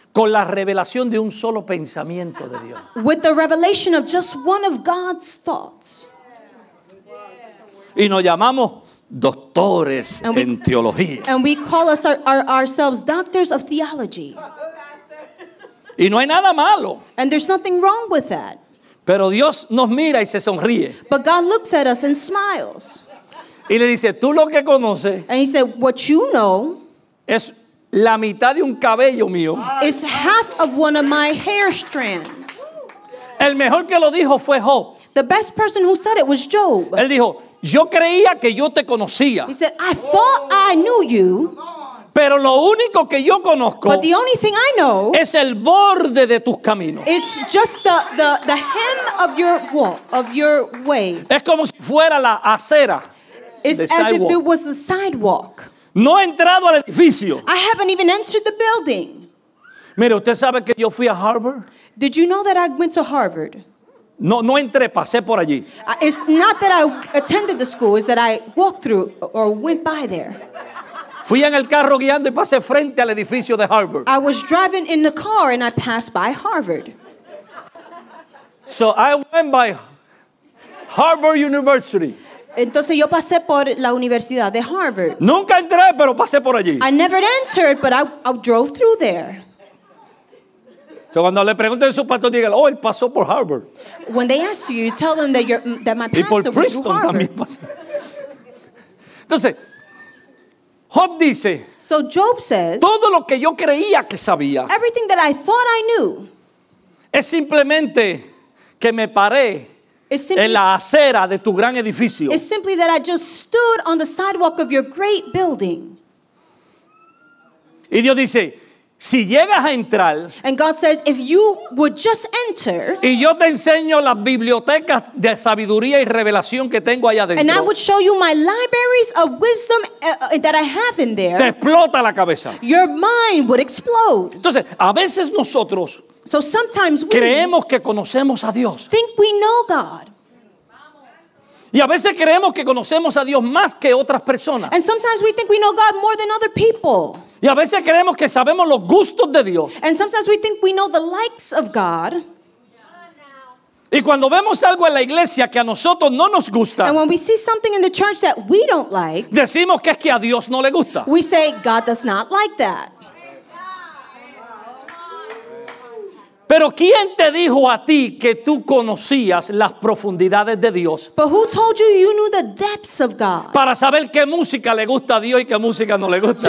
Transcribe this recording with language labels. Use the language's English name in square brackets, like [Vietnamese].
[Spanish] Con la revelación de un solo pensamiento de Dios. [English] With the revelation of just one of God's thoughts. [Spanish] Y nos llamamos doctores en teología. [English] And we call us ourselves doctors of theology. [Spanish] Y no hay nada malo. [English] And there's nothing wrong with that. [Spanish] Pero Dios nos mira y se sonríe. [English] But God looks at us and smiles. [Spanish] Y le dice, tú lo que conoces. [English] And he said, what you know. [Spanish] Es la mitad de un cabello mío. [English] Is half of one of my hair strands. [Spanish] El mejor que lo dijo fue Job. [English] The best person who said it was Job. [Spanish] Él dijo, yo creía que yo te conocía. [English] He said, I thought I knew you. [Spanish] Pero lo único que yo conozco [English] but the only thing I know [Spanish] es el borde de tus caminos. [English] It's just the hem of your walk, of your way. [Spanish] Es como si fuera la acera. [English] It's as sidewalk. If it was the sidewalk. [Spanish] No he entrado al edificio. [English] I haven't even entered the building. [Spanish] Mire, ¿usted sabe que yo fui a Harvard? [English] Did you know that I went to Harvard? [Spanish] No entré, pasé por allí. [English] It's not that I attended the school, it's that I walked through or went by there. [Spanish] Fui en el carro guiando y pasé frente al edificio de Harvard. [English] I was driving in the car and I passed by Harvard. So I went by Harvard University. [Spanish] Entonces yo pasé por la Universidad de Harvard. Nunca entré, pero pasé por allí. [English] I never entered, but I drove through there. [Spanish] So cuando le pregunten a su pastor, digan, oh, él pasó por Harvard. [English] When they ask you, you tell them that my pastor [Spanish] y por Princeton [English] went to Harvard. [Spanish] También pasó. Entonces, Job dice, [English] so Job says, [Spanish] todo lo que yo creía que sabía, [English] everything that I thought I knew, [Spanish] es simplemente que me paré en la acera de tu gran edificio. [English] It's simply that I just stood on the sidewalk of your great building. [Spanish] Y Dios dice, Si llegas a entrar, [English] and God says, if you would just enter, [Spanish] y yo te enseño las bibliotecas de sabiduría y revelación que tengo allá adentro, [English] and I would show you my libraries of wisdom that I have in there, [Spanish] te explota la cabeza. [English] Your mind would explode. [Spanish] Entonces, a veces nosotros [English] so sometimes we [Spanish] creemos que conocemos a Dios. [English] Think we know God. [Spanish] Y a veces creemos que conocemos a Dios más que otras personas. [English] And sometimes we think we know God more than other people. [Spanish] Y a veces creemos que sabemos los gustos de Dios. [English] And sometimes we think we know the likes of God. [Spanish] Y cuando vemos algo en la iglesia que a nosotros no nos gusta, [English] and when we see something in the church that we don't like, [Spanish] decimos que es que a Dios no le gusta. [English] We say God does not like that. [Spanish] Pero ¿quién te dijo a ti que tú conocías las profundidades de Dios? [English] But who told you you knew the depths of God? [Spanish] Para saber qué música le gusta a Dios y qué música no le gusta.